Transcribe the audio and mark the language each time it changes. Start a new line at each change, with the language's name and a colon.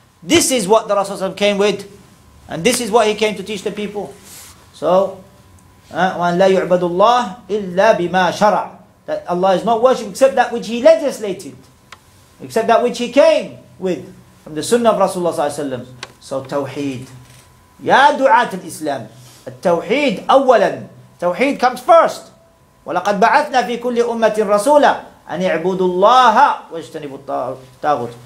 English: This is what the Rasul came with, and this is what he came to teach the people.
Arabic: So وأن لا يعبد الله إلا بما شرع.
English: That Allah is not worshipped except that which He legislated, except that which He came with from the Sunnah of Rasulullah Sallallahu Alaihi Wasallam. So Tawheed,
Arabic: ya du'at al-Islam, al-Tawheed awwalan,
English: Tawheed comes first.
Arabic: وَلَقَدْ بَعَثْنَا فِي كُلِّ أُمَّةٍ رَسُولًا أَنْ يَعْبُدُوا اللَّهَ وَاجْتَنِبُوا الطَّاغُوتَ.